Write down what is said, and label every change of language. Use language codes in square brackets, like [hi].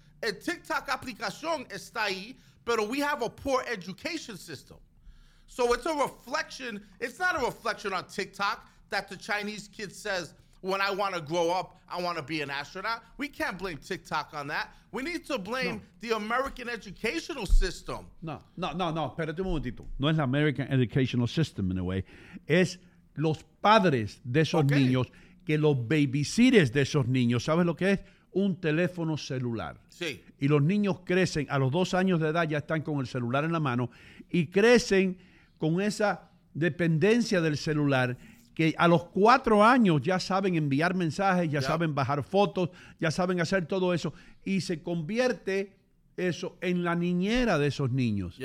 [es] El TikTok aplicación está ahí, pero [en] we have a poor education system. So it's a reflection. It's not a reflection on TikTok that the Chinese kid says, when I want to grow up, I want to be an astronaut. We can't blame TikTok on that. We need to blame the American educational system. [es] No. Espérate un momentito. No es el [en] American educational system, in a way. [es] Es los padres de esos niños, que los babysitters de esos niños. ¿Sabes lo que es? Un teléfono celular. Sí. Y los niños crecen, a los 2 años de edad ya están con el celular en la mano, y crecen con esa dependencia del celular, que a los 4 años ya saben enviar mensajes, ya saben bajar fotos, ya saben hacer todo eso, y se convierte eso en la niñera de esos niños.